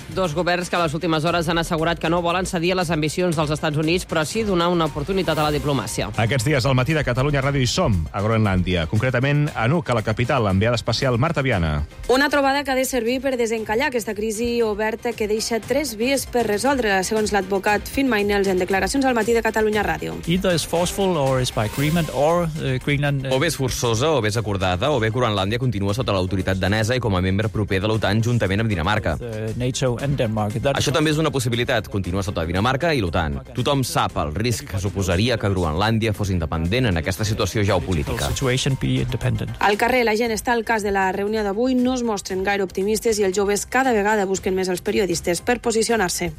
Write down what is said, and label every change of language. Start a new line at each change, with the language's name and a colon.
Catalan: Dos governs que les últimes hores han assegurat que no volen cedir a les ambicions dels Estats Units, però sí donar una oportunitat a la diplomàcia. Aquests dies al matí de Catalunya Ràdio hi som, a Groenlàndia. Concretament, a Nuuk, a la capital, l'enviada especial Marta Viana. Una trobada que ha de servir per desencallar aquesta crisi oberta que deixa tres vies per resoldre, segons l'advocat Finn Meinels en declaracions al matí de Catalunya Ràdio.
English: Either is forceful or is by agreement or Greenland...
Catalan: O bé és forçosa, o bé és acordada, o bé Groenlàndia continua sota l'autoritat danesa i com a membre proper de l'OTAN juntament amb Dinamarca. Això també és una possibilitat, continua sota Dinamarca i l'OTAN. Tothom sap el risc que suposaria que Groenlàndia fos independent en aquesta situació geopolítica. Al carrer, la gent està al cas de la reunió d'avui, no es mostren gaire optimistes i els joves cada vegada busquen més els periodistes per posicionar.